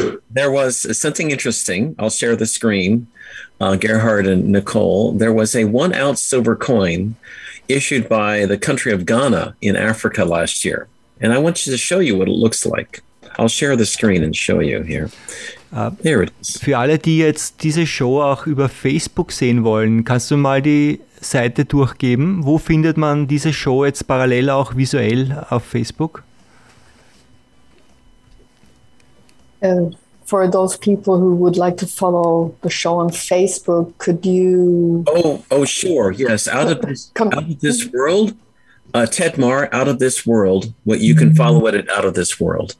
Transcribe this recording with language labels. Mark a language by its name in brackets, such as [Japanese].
[English] There was something interesting. I'll share the screen. Gerhard and Nicole, there was a 1 ounce silver coin issued by the country of Ghana in Africa last year. And I want you to show you what it looks like. I'll share the screen and show you here. There it is. [German] Für alle, die jetzt diese Show auch über Facebook sehen wollen, kannst du mal die Seite durchgeben? Wo findet man diese Show jetzt parallel auch visuell auf Facebook? [English] For those people who would like to follow the show on Facebook, could you? Oh, sure. Yes. Out of this world, Ted Marr, out of this world, what you can follow it at out of this world.